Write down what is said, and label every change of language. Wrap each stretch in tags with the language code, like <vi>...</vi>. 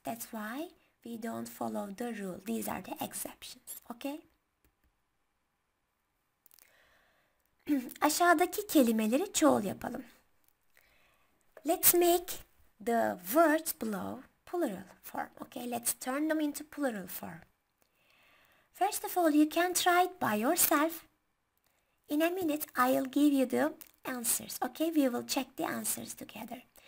<en>That's why we don't follow the rule. These are the exceptions, okay?</en> <tr>Aşağıdaki kelimeleri çoğul yapalım.</tr> <en>Let's make the words below plural form. Okay, let's turn them into plural form. First of all, you can try it by yourself. In a minute, I'll give you the answers. Okay, we will check the answers together.</en>